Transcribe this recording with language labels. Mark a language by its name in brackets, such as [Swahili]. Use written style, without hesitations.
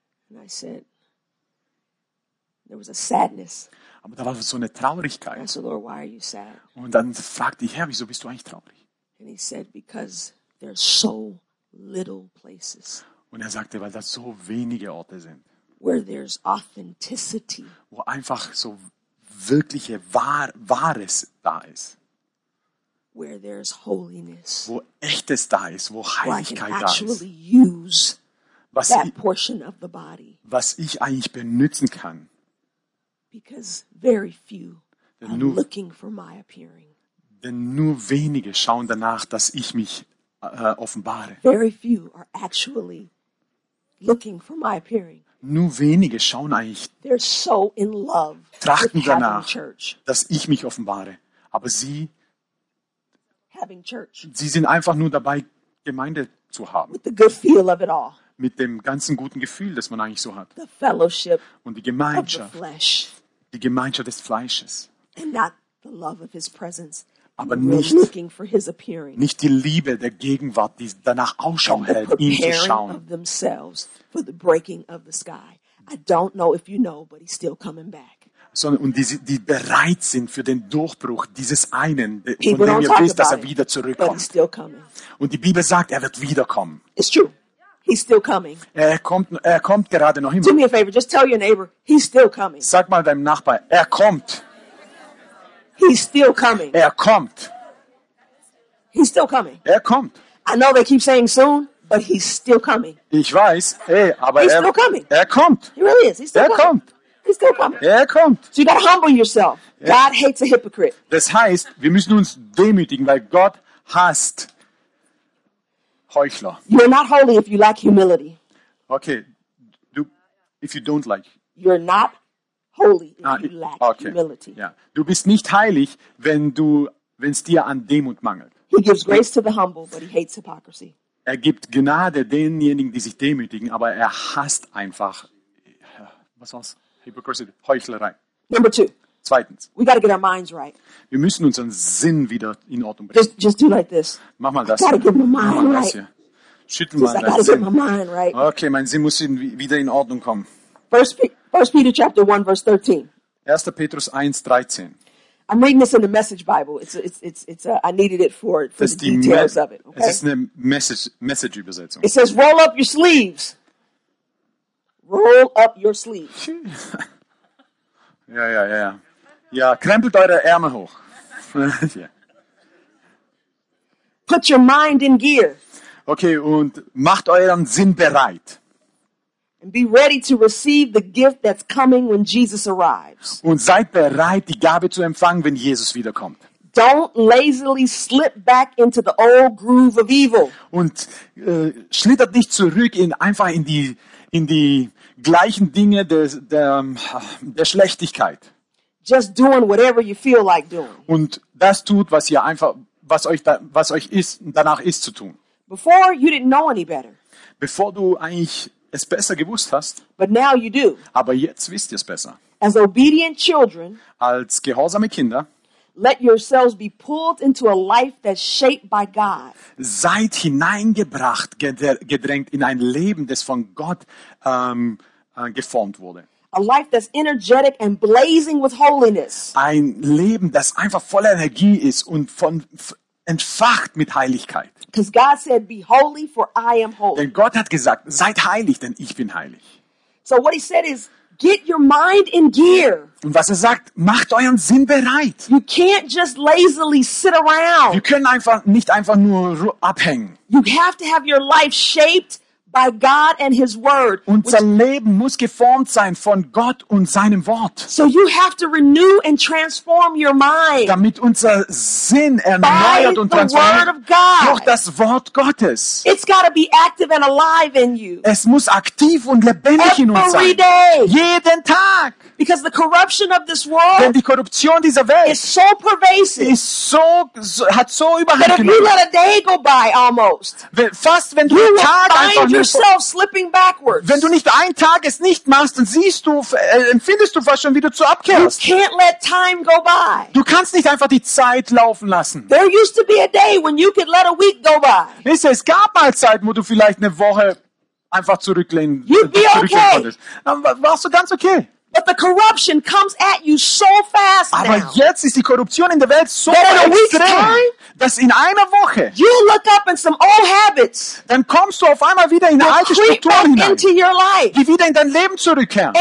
[English] And I said, there was a sadness. [German] Aber da war so eine Traurigkeit. [English] I said, Lord, why are you sad? [German] Und dann fragte ich, Herr, wieso bist du eigentlich traurig? [English] And he said, because there are so little places. [German] Und er sagte, weil das so wenige Orte sind. [English] Where there's authenticity. [German] Wo einfach so wirkliche Wahres da ist. [English] Where there's holiness. [German] Wo Echtes da ist, wo Heiligkeit da ist. [English] Where I can actually use that portion of the body. [German] Was ich eigentlich benutzen kann. [English] Because very few are looking for my appearing. [German] Denn nur wenige schauen danach, dass ich mich offenbare. [English] Very few are actually looking for my appearing. [German] Nur wenige schauen eigentlich. [English] They're so in love [German] trachten danach, dass ich mich offenbare. Aber sie, [English] having church. [German] Sie sind einfach nur dabei, Gemeinde zu haben. [English] With the good feel of it all. [German] Mit dem ganzen guten Gefühl, das man eigentlich so hat. [English] The fellowship [German] und die Gemeinschaft. [English] Of the flesh. [German] Die Gemeinschaft des Fleisches. [English] And not the love of his presence. [German] Aber nicht die Liebe der Gegenwart, die danach Ausschau hält, ihn zu schauen. [English] Of themselves for the breaking of the sky. I don't know if you know, but he's still coming back. [German] Sondern und die bereit sind für den Durchbruch dieses einen, von dem ihr wisst, dass er wieder zurückkommt. [English] But he's still coming. [German] Und die Bibel sagt, er wird wiederkommen. [English] It's true. He's still coming. [German] Er kommt gerade noch immer. [English] Do me a favor, just tell your neighbor, he's still coming. [German] Sag mal deinem Nachbar, er kommt. [English] He's still coming. [German] Er kommt. [English] He's still coming. [German] Er kommt. [English] I know they keep saying soon, but he's still coming. [German] Ich weiß, ey, aber [English] he's still coming. [German] Er kommt. [English] He really is. He's still [German] er [English] coming. [German] Kommt. [English] He's still coming. [German] Er kommt. [English] So you gotta humble yourself. God hates a hypocrite. [German] Das heißt, wir müssen uns demütigen, weil Gott hasst Heuchler. [English] You're not holy if you lack humility. Okay. If you don't like. You're not holy if you lack humility. Yeah. [German] Du bist nicht heilig, wenn es dir an Demut mangelt. [English] He gives grace to the humble, but he hates hypocrisy. [German] Er gibt Gnade denjenigen, die sich demütigen, aber er hasst einfach Hypocrisy, Heuchlerei. [English] Number two. [German] Zweitens. [English] We got to get our minds right. [German] Wir müssen unseren Sinn wieder in Ordnung bringen. [English] Just do like this. [German] Mach mal das. [English] I gotta get my mind right. [German] Das hier. Schüttel mal deinen Sinn. [English] My mind right. [German] Okay, mein Sinn muss wieder in Ordnung kommen. [English] First Peter chapter 1 verse 13. [German] 1. Petrus 1, 13. [English] I'm reading this in the Message Bible. I needed it for the details of it. Okay? [German] Es ist eine Message Übersetzung. [English] It says, roll up your sleeves. Roll up your sleeves. [German] Ja. Ja, krempelt eure Ärmel hoch. [English] Yeah. Put your mind in gear. [German] Okay, und macht euren Sinn bereit. [English] And be ready to receive the gift that's coming when Jesus arrives. [German] Und seid bereit, die Gabe zu empfangen, wenn Jesus wiederkommt. [English] Don't lazily slip back into the old groove of evil. [German] Und schlittert nicht zurück in die gleichen Dinge der Schlechtigkeit. [English] Just doing whatever you feel like doing. [German] Und das tut, was ihr einfach, was euch danach ist zu tun. [English] Before you didn't know any better. [German] Bevor du eigentlich es besser gewusst hast. [English] But now you do. [German] Aber jetzt wisst ihr es besser. [English] As obedient children. [German] Als gehorsame Kinder. [English] Let yourselves be pulled into a life that's shaped by God. [German] Seid hineingebracht, gedrängt in ein Leben, das von Gott geformt wurde. [English] A life that's energetic and blazing with holiness. [German] Ein Leben, das einfach voller Energie ist und von entfacht mit Heiligkeit. [English] Because God said, "Be holy, for I am holy." [German] Denn Gott hat gesagt, seid heilig, denn ich bin heilig. [English] So what he said is, get your mind in gear. [German] Und was er sagt, macht euren Sinn bereit. [English] You can't just lazily sit around. [German] Wir können nicht einfach nur abhängen. [English] You have to have your life shaped by God and His Word. [German] Unser Leben muss geformt sein von Gott und seinem Wort. [English] So you have to renew and transform your mind. [German] Damit unser Sinn erneuert und transformiert durch das Wort Gottes. [English] It's got to be active and alive in you. [German] Es muss aktiv und lebendig in uns sein. Jeden Tag. [English] Because the corruption of this world, [German] denn die Korruption dieser Welt, [English] is so pervasive, [German] hat so überhand genommen. [English] That if you let a day go by, almost, [German] wenn du nicht einen Tag es nicht machst, dann siehst du, empfindest du fast schon, wie du zu abkehrst. [English] You can't let time go by. [German] Du kannst nicht einfach die Zeit laufen lassen. [English] There used to be a day when you could let a week go by. [German] Es gab mal Zeiten, wo du vielleicht eine Woche einfach zurücklehnen konntest. Warst du ganz okay? [English] But the corruption comes at you so fast. [German] Aber [English] now, [German] jetzt ist die Korruption in der Welt so extrem, dass in einer Woche [English] you look up in some old habits, [German] dann kommst du auf einmal wieder in eine alte Struktur hinein, [English] into your life, [German] die wieder in dein Leben zurückkehren.